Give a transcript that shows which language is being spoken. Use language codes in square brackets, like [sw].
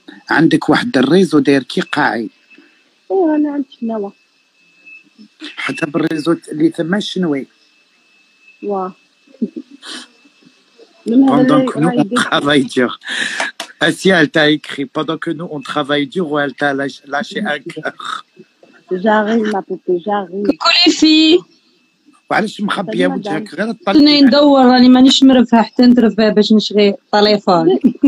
[ar] عندك واحد الريزو داير كي قاعي. ايه انا عندي نوا حتى بالريزو اللي تما شنوي. واه [fr] pendant que nous on travaille dur. Asial t'a écrit pendant que nous on travaille dur ou elle t'a lâché un cœur. J'arrive ma poupée, j'arrive. Coucou les filles. [ar] وعلاش مخبيه وجهك غير تطلع. انا ندور راني مانيش مرفها حتى نترفها باش نشغي التليفون.